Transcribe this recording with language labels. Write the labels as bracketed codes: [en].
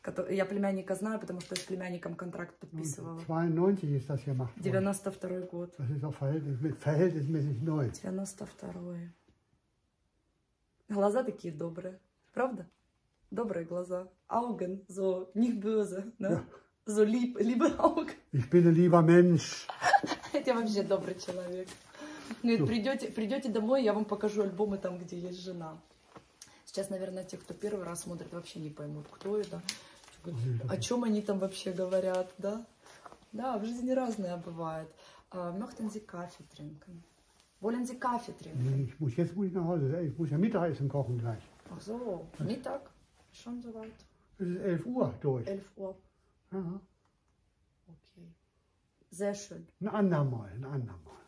[ru] Я племянника знаю, потому что с племянником контракт подписывала. [de] 92 ist das gemacht worden. 92 [ru] год. [de] Das ist auch verhältnismäßig neu. 92. [ru] Глаза такие добрые. Правда? Добрые глаза. [de] Augen, so nicht böse. Ne? Ja. So lieb, liebe Augen. Ich bin ein lieber Mensch. [ru] Я вообще добрый человек. Нет, so. Придете домой, я вам покажу альбомы там, где есть жена. Сейчас, наверное, те, кто первый раз смотрит, вообще не поймут, кто это. О чем они там вообще говорят, да? Да, в жизни разное бывает. [de] Möchten Sie Kaffee trinken? Wollen Sie Kaffee trinken? Nee, ich muss, jetzt muss ich nach Hause. Ich muss ja Mittagessen kochen gleich. Ach so, Mittag? Schon so weit? Es ist 11 Uhr durch. 11 Uhr. Aha. Okay. Sehr schön. Ein andermal, ein andermal.